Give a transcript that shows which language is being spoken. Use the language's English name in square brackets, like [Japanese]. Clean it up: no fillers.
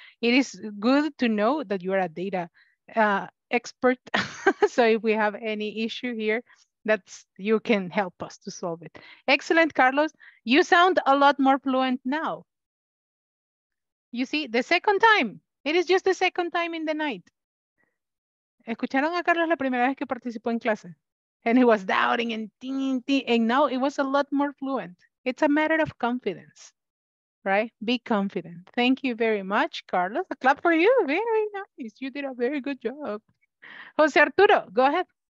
[English] It is good to know that you are a data expert. So if we have any issue here, that's you can help us to solve it. Excellent, Carlos. You sound a lot more fluent now. You see, the second time. It is just the second time in the night. [Spanish] ¿Escucharon a Carlos la primera vez que participó en clase? [English] And he was doubting and ting, ting, and now it was a lot more fluent. It's a matter of confidence, right? Be confident. Thank you very much, Carlos. A clap for you. Very nice. You did a very good job. Jose Arturo, go ahead.